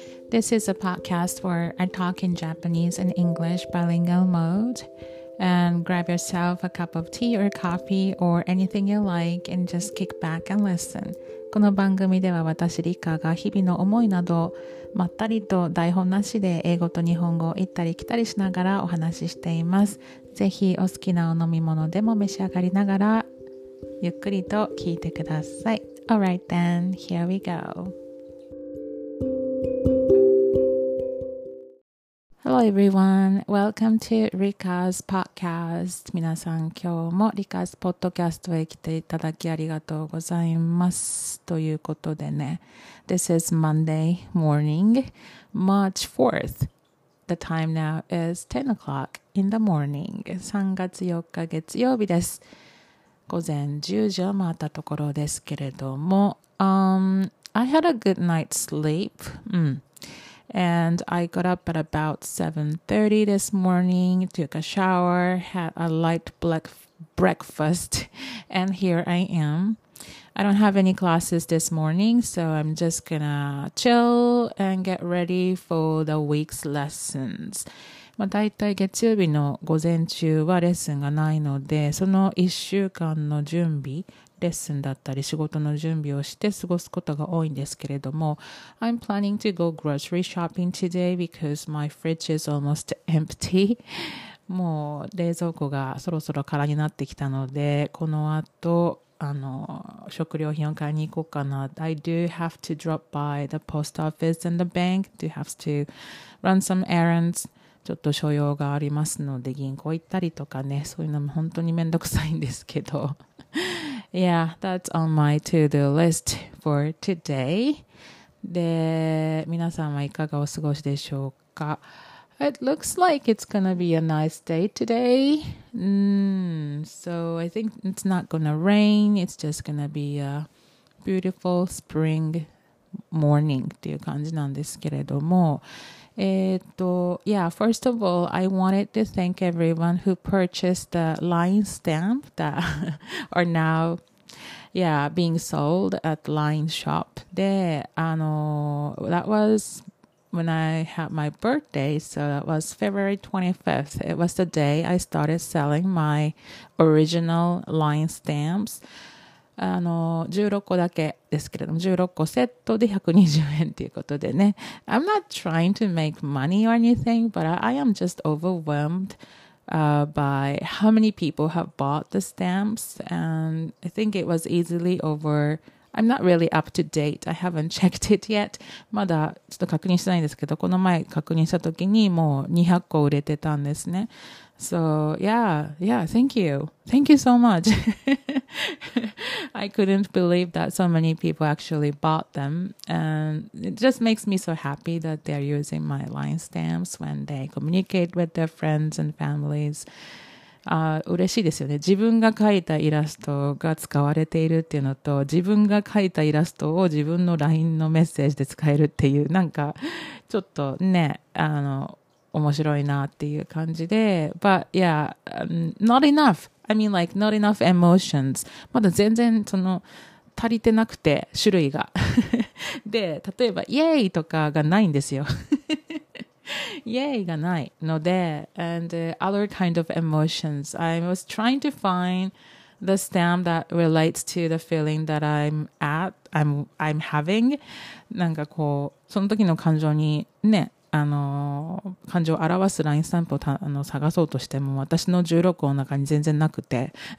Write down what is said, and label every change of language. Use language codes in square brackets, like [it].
[en] This is a podcast where I talk in Japanese and English bilingual mode. And grab yourself a cup of tea or coffee or anything you like and just kick back and listen. [ja] この番組では私リカが日々の思いなどまったりと台本なしで英語と日本語を行ったり来たりしながらお話ししています。ぜひお好きなお飲み物でも召し上がりながらゆっくりと聞いてください。 [en] Alright then, here we go. Hello everyone, welcome to Rika's podcast. [ja] 皆さん今日も Rika's podcast へ来ていただきありがとうございます。ということでね、 [en] This is Monday morning, March 4th. The time now is 10 o'clock in the morning. [ja] 3月4日月曜日です。午前10時を回ったところですけれども、 [en] I had a good night's sleep、and I got up at about 7:30 this morning, took a shower, had a light breakfast, and here I am. I don't have any classes this morning, so I'm just gonna chill and get ready for the week's lessons. [ja] まあ、大体月曜日の午前中はレッスンがないので、その1週間の準備、レッスンだったり仕事の準備をして過ごすことが多いんですけれども、 [en] I'm planning to go grocery shopping today because my fridge is almost empty. [ja] もう冷蔵庫がそろそろ空になってきたので、この後食料品を買いに行こうかな。 [en] I do have to drop by the post office and the bank. Do have to run some errands [ja] ちょっと所用がありますので銀行行ったりとかね、そういうのも本当にめんどくさいんですけど。 [en] Yeah, that's on my to-do list for today. [ja] で、皆さんはいかがお過ごしでしょうか? [en] It looks like it's gonna be a nice day today. So I think it's not gonna rain. It's just gonna be a beautiful spring morning [ja] っていう感じなんですけれども、 [en] yeah, first of all, I wanted to thank everyone who purchased the LINE stamp that are now, yeah, being sold at LINE shop. [ja] で、 [en] that was when I had my birthday, so that was February 25th. It was the day I started selling my original LINE stamps. [ja] 16個だけですけれども、16個セットで120円ということでね。 [en] I'm not trying to make money or anything, but I am just overwhelmed, by how many people have bought the stamps. And I think it was easily over. I'm not really up to date. I haven't checked it yet. [ja] まだちょっと確認してないんですけど、この前確認した時にもう200個売れてたんですね。 [en] So, yeah, yeah, thank you. Thank you so much. I couldn't believe that so many people actually bought them. And it just makes me so happy that they're using my LINE stamps when they communicate with their friends and families. [ja] 嬉しいですよね。自分が描いたイラストが使われているっていうのと、自分が描いたイラストを自分の LINE のメッセージで使えるっていう、なんかちょっとね、面白いなっていう感じで、 [en] But yeah, not enough. I mean, like, not enough emotions. [ja] まだ全然その足りてなくて、種類が。で、例えば、イエーイとかがないんですよ。イエーイがないので、 [en] And other kind of emotions. I was trying to find the stamp that relates to the feeling that I'm having. [ja] なんかこう、その時の感情にね、感情を表すラインスタンプを探そうとしても私の16個の中に全然なくて。